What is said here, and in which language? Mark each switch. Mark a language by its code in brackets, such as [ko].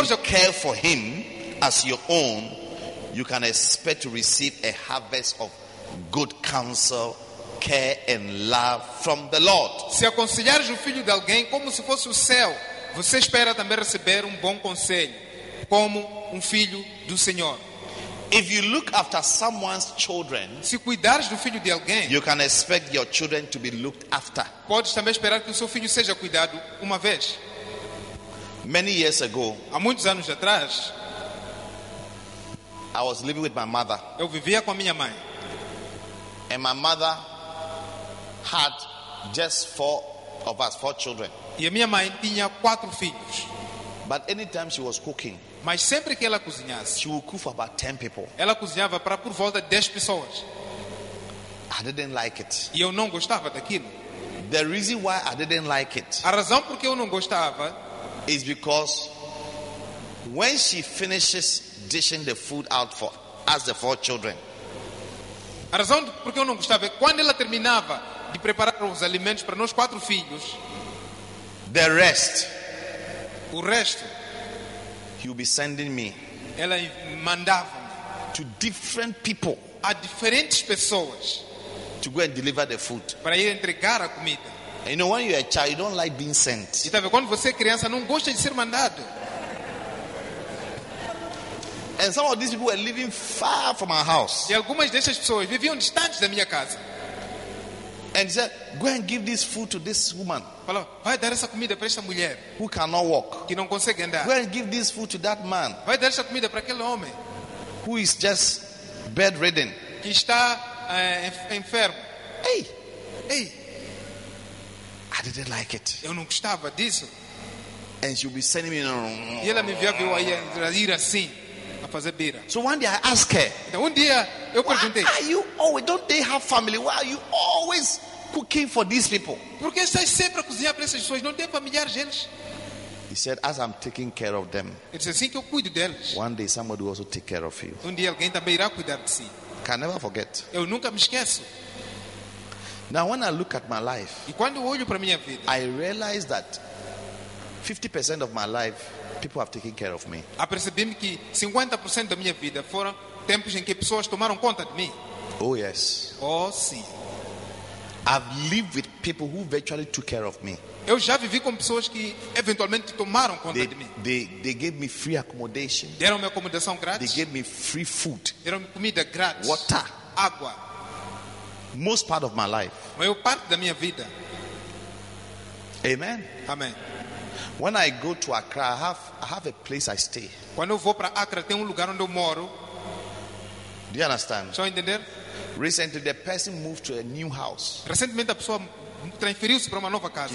[en] care for him as your own, you can expect to receive a harvest of good counsel, care and love from the Lord. [pt] Se aconselhares o filho de alguém como se fosse o céu, você espera também receber bom conselho como filho do Senhor. [en] If you look after someone's children, [pt] se cuidares do filho de alguém, [en] you can expect your children to be looked after. [pt] Podes também esperar que o seu filho seja cuidado uma vez. [en] Many years ago, [pt] há muitos anos atrás, [en] I was living with my mother. [pt] Eu vivia com a minha mãe. [en] And my mother had just four of us, four children. [pt] E a minha mãe tinha quatro filhos. [en] But anytime she was cooking, [pt] mas sempre que ela cozinhasse, [en] she would cook for about 10 people. [pt] Ela cozinhava para por volta de 10 pessoas. [en] I didn't like it. [pt] E eu não gostava daquilo. [en] The reason why I didn't like it, [pt] a razão por que eu não gostava, [en] is because when she finishes dishing the food out for us, the four children, [pt] a razão por que eu não gostava é quando ela terminava de preparar os alimentos para nós quatro filhos, [en] the rest, [pt] o resto, [en] he'll be sending me, [pt] ela mandava [en] to different people, [pt] a diferentes pessoas, [en] to go and deliver the food, [pt] para ir entregar a comida. [en] And you know, when you are a child, you don't like being sent. [pt] Então, quando você é criança, não gosta de ser mandado. [en] And some of these people were living far from our house. [pt] E algumas dessas pessoas viviam distantes da minha casa. [en] And he said, go and give this food to this woman. [pt] Vai dar essa comida para esta mulher. [en] Who cannot walk. [pt] Que não consegue andar. [en] Go and give this food to that man. [pt] Vai dar essa comida para aquele homem. [en] Who is just bedridden. [pt] Que está enfermo. Hey. Hey. [en] I didn't like it. [pt] Eu não gostava disso. [en] And she'll be sending me. [pt] E ela me enviou aí a ir assim. A fazer beira. [en] So one day I ask her. [pt] Então, dia eu perguntei. [en] Why are you always, don't they have family? Why are you always cooking for these people? [pt] Porque estás sempre a cozinhar para essas pessoas, não tem familiares deles? [en] He said, as I'm taking care of them, [pt] ele disse assim que eu cuido deles. [en] One day somebody will also take care of you. [pt] Dia alguém também irá cuidar de si. [en] can never forget. [pt] Eu nunca me esqueço. [en] Now when I look at my life, [pt] e quando olho para minha vida, [en] I realize that 50% of my life people have taken care of me. [pt] Apercebi-me que 50% da minha vida foram tempos em que pessoas tomaram conta de mim. [en] Oh yes. [pt] Oh sim. [en] I've lived with people who virtually took care of me. [pt] Eu já vivi com pessoas que eventualmente tomaram conta de mim. [en] They gave me free accommodation. [pt] Deram-me acomodação grátis. [en] They gave me free food. [pt] Deram-me comida grátis. [en] Water. [pt] Água. [en] Most part of my life. [pt] Maior parte da minha vida. Amen. Amém. [en] When I go to Accra, I have a place I stay. [pt] Quando eu vou para Accra, tem lugar onde eu moro. [en] Do you understand? [pt] Só entender? [en] Recently, the person moved to a new house. [pt] Recentemente, a pessoa transferiu-se para uma nova casa.